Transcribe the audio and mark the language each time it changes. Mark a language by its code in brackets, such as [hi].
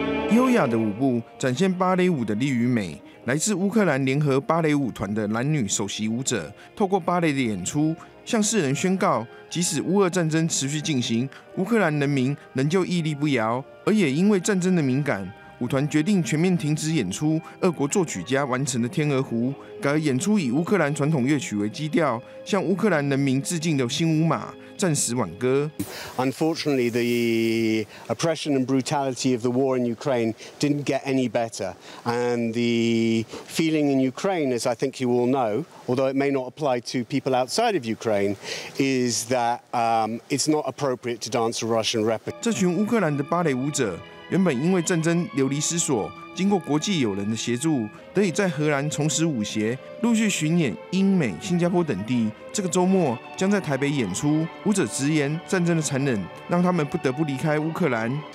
[zh] 优雅的舞步展现芭蕾舞的力与美，来自乌克兰联合芭蕾舞团的男女首席舞者透过芭蕾的演出向世人宣告，即使乌俄战争持续进行，乌克兰人民仍旧屹立不摇。而也因为战争的敏感，舞团决定全面停止演出俄国作曲家完成的《天鹅湖》，改而演出以乌克兰传统乐曲为基调，向乌克兰人民致敬的新舞码，暂时晚歌。 [en] Unfortunately, the oppression and brutality of the war in Ukraine didn't get any better, and the feeling in Ukraine, as I think you all know, although it may not apply to people outside of Ukraine, is that it's not appropriate to dance a Russian repertoire. [zh] 这群乌克兰的芭蕾舞者原本因为战争流离失所，经过国际友人的协助，得以在荷兰重拾舞鞋，陆续巡演英美、新加坡等地。这个周末将在台北演出。舞者直言，战争的残忍让他们不得不离开乌克兰。